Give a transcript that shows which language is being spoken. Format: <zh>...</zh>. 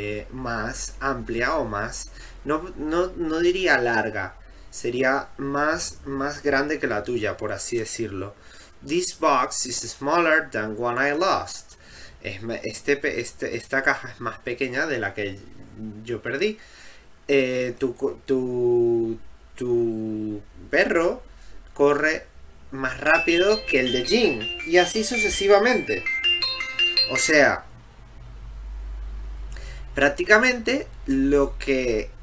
<es>Más amplia o más, no diría larga, sería más grande que la tuya, por así decirlo.</es> <en>This box is smaller than one I lost.</en> <es>Esta caja es más pequeña de la que yo perdí. Tu perro corre más rápido que el de Jim, y así sucesivamente. O sea, prácticamente lo que</es>